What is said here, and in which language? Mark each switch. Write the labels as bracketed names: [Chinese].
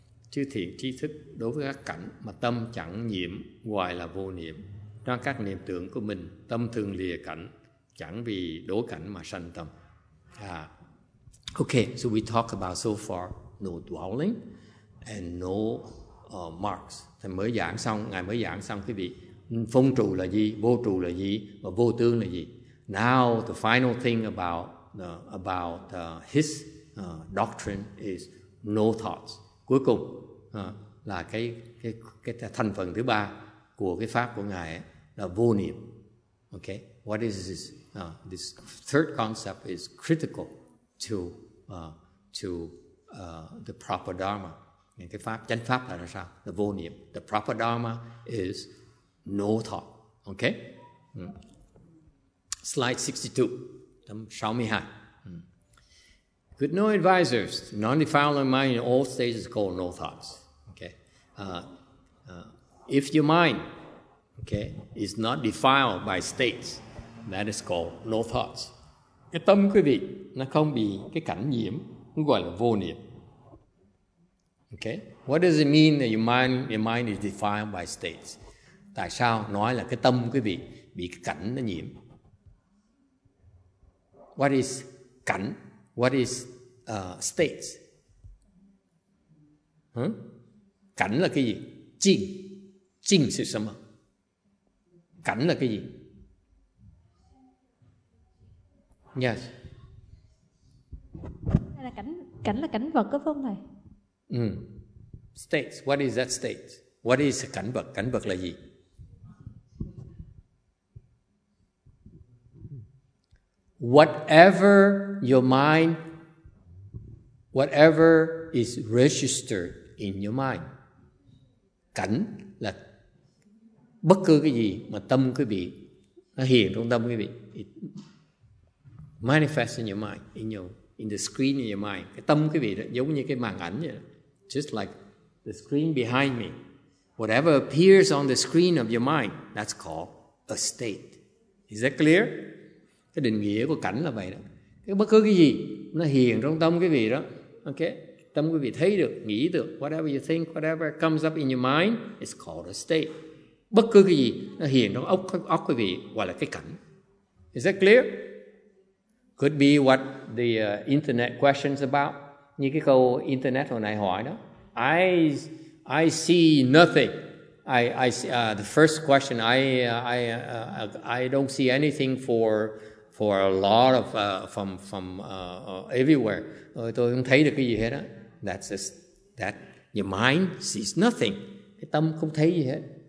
[Vietnamese] Chư thiện tri thức, đối với các cảnh mà tâm chẳng nhiễm, ngoài là vô niệm. Trong các niệm tưởng của mình, tâm thường lìa cảnh, chẳng vì đối cảnh mà sanh tâm. [English] Okay, so we talk about so far no dwelling and no marks. [Vietnamese] Thầy mới giảng xong, ngài mới giảng xong quý vị, phong trụ là gì, vô trụ là gì và vô tướng là gì. [English] Now the final thing about his doctrine is no thoughts. [Vietnamese] Cuối cùng là cái thành phần thứ ba của cái pháp của ngài ấy, là vô niệm. [English] Okay, what is this? This third concept is critical to the proper dharma. [Vietnamese] Những cái pháp chánh pháp là sao? [English] The vô niệm. The proper dharma is no thought. Okay. Slide 62. 62. Good no advisors. Non-defilement mind in all stages is called no thoughts. Okay. If your mind, okay, is not defiled by states. That is called no thoughts. [Vietnamese] Cái tâm quý vị nó không bị cái cảnh nhiễm, nó gọi là vô niệm. [English] Okay? What does it mean that your mind is defined by states? [Vietnamese] Tại sao nói là cái tâm quý vị bị cái cảnh nó nhiễm? [English] What is cảnh? What is states? [Vietnamese] Cảnh là cái gì? Chinh. Chinh là cái gì? Cảnh là cái gì? [English] Yes. [Vietnamese] Đây là cảnh là cảnh vật có không thầy? [English] States. What is that state? What is cảnh vật? [Vietnamese] Cảnh vật là gì? [English] Whatever your mind, whatever is registered in your mind. [Vietnamese] Cảnh là bất cứ cái gì mà tâm quý vị nó hiện trong tâm quý vị. [English] Manifest in your mind, in the screen in your mind. [Vietnamese] Cái tâm quý vị đó, giống như cái màn ảnh vậy đó. [English] Just like the screen behind me. Whatever appears on the screen of your mind, that's called a state. Is that clear? [Vietnamese] Cái định nghĩa của cảnh là vậy đó. Cái bất cứ cái gì nó hiện trong tâm quý vị đó. Okay? Tâm quý vị thấy được, nghĩ được. [English] Whatever you think, whatever comes up in your mind, it's called a state. [Vietnamese] Bất cứ cái gì nó hiện trong óc quý vị gọi là cái cảnh. [English] Is that clear? Could be what the internet questions about. [Vietnamese] Như cái câu internet hồi nãy hỏi đó. [English] I see nothing. The first question. I don't see anything for a lot of from everywhere. [Vietnamese] Tôi không thấy được cái gì hết á. [English] That's just that your mind sees nothing. [Vietnamese] Cái tâm không thấy gì hết.